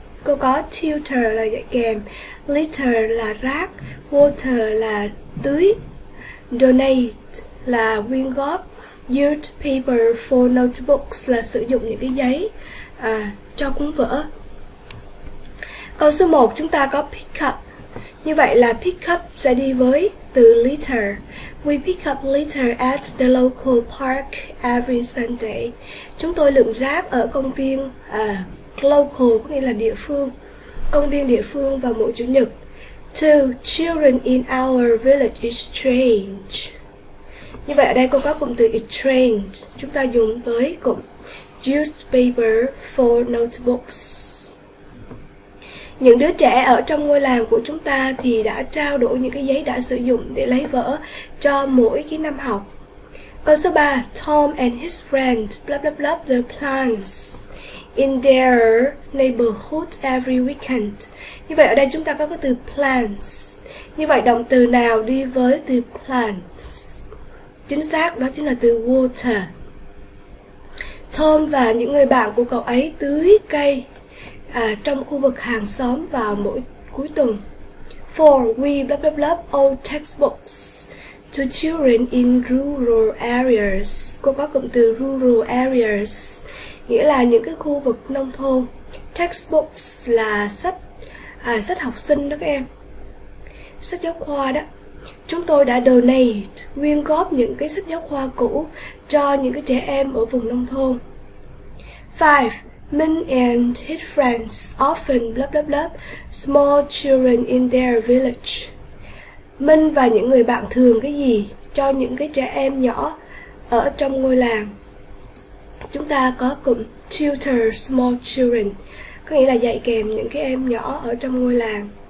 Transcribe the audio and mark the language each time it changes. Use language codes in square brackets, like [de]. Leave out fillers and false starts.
[vi] Cô có tutor là dạy kèm, litter là rác, water là tưới, donate là quyên góp, [en] used paper for notebooks [vi] là sử dụng những cái giấy cho cuốn vở. Câu số 1 chúng ta có pick up. Như vậy là pick up sẽ đi với từ litter. [en] We pick up litter at the local park every Sunday. [vi] Chúng tôi lượm rác ở công viên local, có nghĩa là địa phương, công viên địa phương vào mỗi chủ nhật. [en] To children in our village exchange. [vi] Như vậy ở đây cô có cụm từ exchange, chúng ta dùng với cụm [en] used paper for notebooks. [vi] Những đứa trẻ ở trong ngôi làng của chúng ta thì đã trao đổi những cái giấy đã sử dụng để lấy vở cho mỗi cái năm học. Câu số 3, [en] Tom and his friend blah blah blah the plants in their neighborhood every weekend. [vi] Như vậy ở đây chúng ta có cái từ plants. Như vậy động từ nào đi với từ plants? Chính xác đó chính là từ water. Tom và những người bạn của cậu ấy tưới cây trong khu vực hàng xóm vào mỗi cuối tuần. [en] For we blah blah blah old textbooks to children in rural areas. [vi] Cô có cụm từ rural areas, nghĩa là những cái khu vực nông thôn. Textbooks là sách sách học sinh đó các em, sách giáo khoa đó. Chúng tôi đã donate, quyên góp những cái sách giáo khoa cũ cho những cái trẻ em ở vùng nông thôn. 5. [en] Min and his friends often blah blah blah small children in their village. [vi] Min và những người bạn thường cái gì cho những cái trẻ em nhỏ ở trong ngôi làng. Chúng ta có cụm [en] tutor small children, [vi] có nghĩa là dạy kèm những cái em nhỏ ở trong ngôi làng.